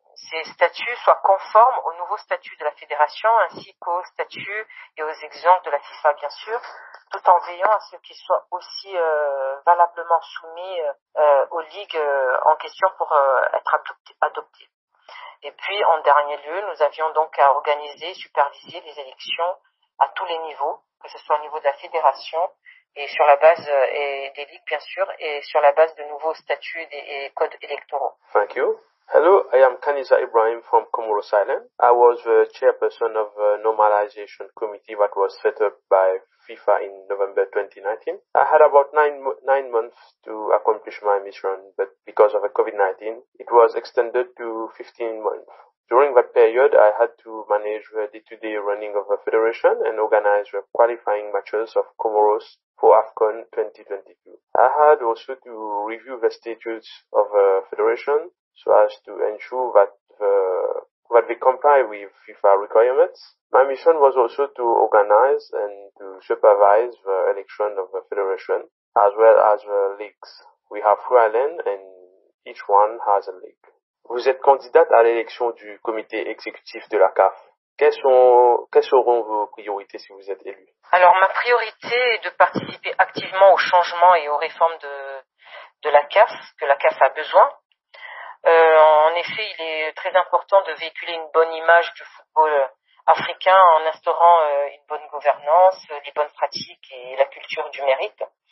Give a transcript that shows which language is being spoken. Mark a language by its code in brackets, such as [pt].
[fr] ces statuts soient conformes aux nouveaux statuts de la fédération ainsi qu'aux statuts et aux exigences de la FIFA, bien sûr, tout en veillant à ce qu'ils soient aussi valablement soumis aux ligues en question pour être adoptés. Et puis, en dernier lieu, nous avions donc à organiser, superviser les élections à tous les niveaux, que ce soit au niveau de la fédération et sur la base et des ligues, bien sûr, et sur la base de nouveaux statuts et codes électoraux. [en] Thank you. Hello, I am Kaniza Ibrahim from Comoros Island. I was the chairperson of the normalization committee that was set up by FIFA in November 2019. I had about nine months to accomplish my mission, but because of the COVID-19, it was extended to 15 months. During that period, I had to manage the day-to-day running of the federation and organize the qualifying matches of Comoros for AFCON 2022. I had also to review the statutes of the federation, so as to ensure that they comply with FIFA requirements. My mission was also to organize and to supervise the election of the federation, as well as the leagues. We have three islands, and each one has a league. [fr] Vous êtes candidate à l'élection du comité exécutif de la CAF. Quelles seront vos priorités si vous êtes élue? Alors, ma priorité est de participer activement aux changements et aux réformes de la CAF, que la CAF a besoin. En effet, il est très important de véhiculer une bonne image du football africain en instaurant une bonne gouvernance, les bonnes pratiques et la culture du mérite.